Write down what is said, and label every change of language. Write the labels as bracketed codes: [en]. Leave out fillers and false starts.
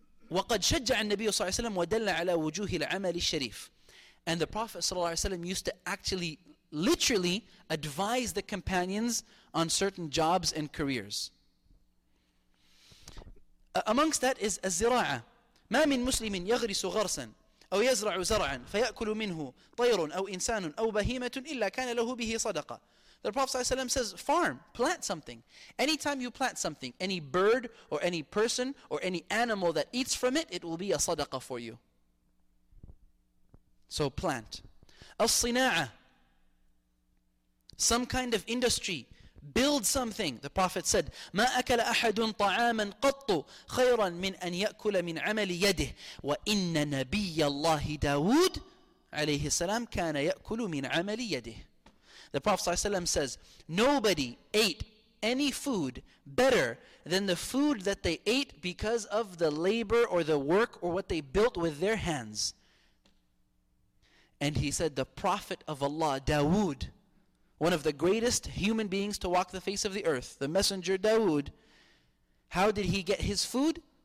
[ar] وَقَدْ شَجَّعَ النَّبِيُّ صَلَّى اللَّهُ عَلَيْهِ وَسَلَّمَ وَدَلَّ عَلَى وُجُوهِ الْعَمَلِ الشَّرِيفِ. [en] And the Prophet ﷺ used to actually, literally, advise the companions on certain jobs and careers. Amongst that is الزِّرَاعَة. [ar] مَا مِن مُسْلِمٍ يَغْرِسُ غَرْسًا أو يزرع زرعا فيأكل منه طير أو إنسان أو بهيمة إلا كان له به صدقة. [en] The Prophet ﷺ says, farm, plant something. Anytime you plant something, any bird or any person or any animal that eats from it, it will be a sadaqah for you. So plant. Al-sina'a, some kind of industry. Build something. The Prophet said, [ar] مَا أَكَلَ أَحَدٌ طَعَامًا قَطُّ خَيْرًا مِنْ أَنْ يَأْكُلَ مِنْ عَمَلِ يَدِهِ وَإِنَّ نَبِيَّ اللَّهِ دَاوُودِ عَلَيْهِ السَّلَامِ كَانَ يَأْكُلُ مِنْ عَمَلِ يَدِهِ. [en] The Prophet ﷺ says, nobody ate any food better than the food that they ate because of the labor or the work or what they built with their hands. And he said, the Prophet of Allah, Dawood, one of the greatest human beings to walk the face of the earth, the messenger Dawood, how did he get his food?